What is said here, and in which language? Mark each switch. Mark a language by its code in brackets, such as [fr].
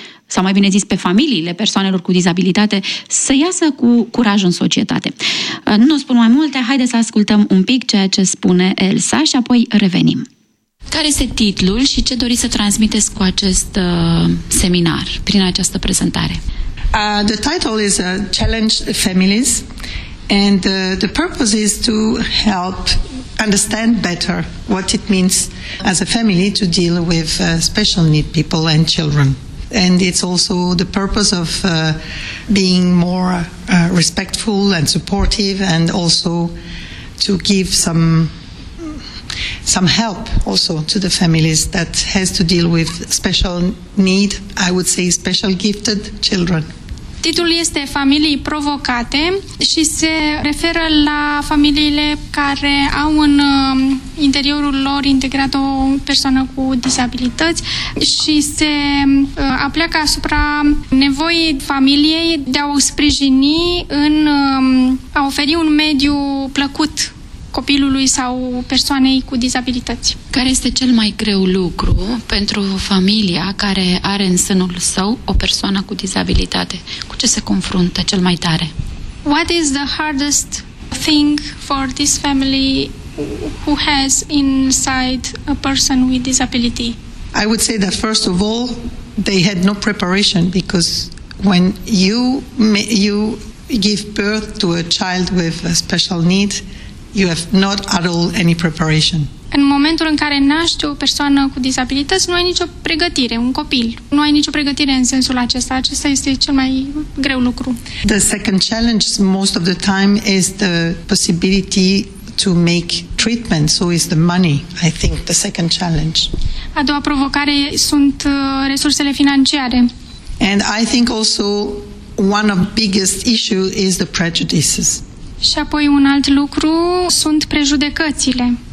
[ro] sau mai bine zis pe familiile persoanelor cu dizabilitate, să iasă cu curaj în societate. Nu spun mai multe, haide să ascultăm un pic ceea ce spune Elsa și apoi revenim. Care este titlul și ce doriți să transmiteți cu acest seminar, prin această prezentare? [en] The title is Challenge Families and the purpose is to help understand better what it means as a family to deal with special need people and children. And it's also the purpose of being more respectful and supportive and also to give some help also to the families that has to deal with special need, I would say special gifted children. [ro] Titlul este Familii provocate și se referă la familiile care au în interiorul lor integrat o persoană cu dizabilități și se apleacă asupra nevoii familiei de a o sprijini în a oferi un mediu plăcut copilului sau persoanei cu dizabilități. Care este cel mai greu lucru pentru familia care are în sânul său o persoană cu dizabilitate? Cu ce se confruntă cel mai tare? [en] What is the hardest thing for this family who has inside a person with disability? I would say that first of all, they had no preparation because when you give birth to a child with a special need, you have not at all any preparation. [ro] În momentul în care naște o persoană cu dizabilități, nu ai nicio pregătire, un copil. Nu ai nicio pregătire în sensul acesta. Acesta este cel mai greu lucru. [en] The second challenge most of the time is the possibility to make treatment, so is the money, I think, the second challenge. [ro] A doua provocare sunt resursele financiare. [en] And I think also one of biggest issue is the prejudices. [ro] Și apoi un alt lucru sunt prejudecățile.